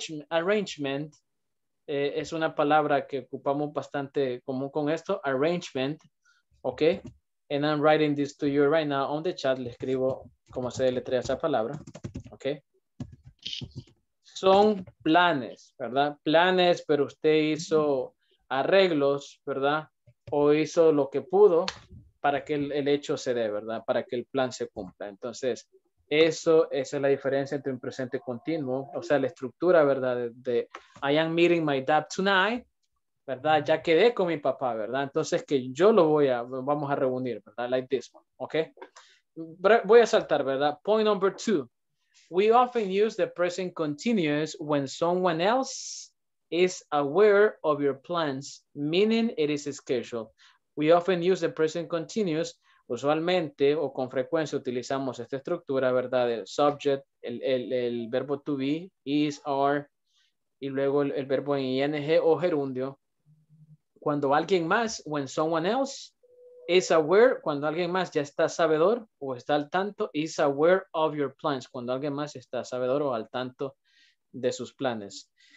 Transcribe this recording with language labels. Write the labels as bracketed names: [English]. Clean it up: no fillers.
[Spanish] Arrangement es una palabra que ocupamos bastante común con esto. [English] Arrangement, ¿ok? And I'm writing this to you right now on the chat. [Spanish] Le escribo cómo se deletrea esa palabra, ¿ok? Son planes, ¿verdad? Planes, pero usted hizo arreglos, ¿verdad? O hizo lo que pudo para que el hecho se dé, ¿verdad? Para que el plan se cumpla. Entonces, esa es la diferencia entre un presente continuo, o sea, la estructura, ¿verdad? [English] De I am meeting my dad tonight, ¿verdad? [Spanish] Ya quedé con mi papá, ¿verdad? Entonces, que yo lo voy a, vamos a reunir, ¿verdad? [English] Like this one, ¿ok? [Spanish] Voy a saltar, [English] ¿verdad? Point number two. We often use the present continuous when someone else is aware of your plans, meaning it is scheduled. We often use the present continuous. [Spanish] Usualmente o con frecuencia utilizamos esta estructura, ¿verdad? El subject, el verbo to be, is, are, y luego el verbo en ing o gerundio. Cuando alguien más, [English] when someone else is aware, [Spanish] cuando alguien más ya está sabedor o está al tanto, [English] is aware of your plans, [Spanish] cuando alguien más está sabedor o al tanto de sus planes.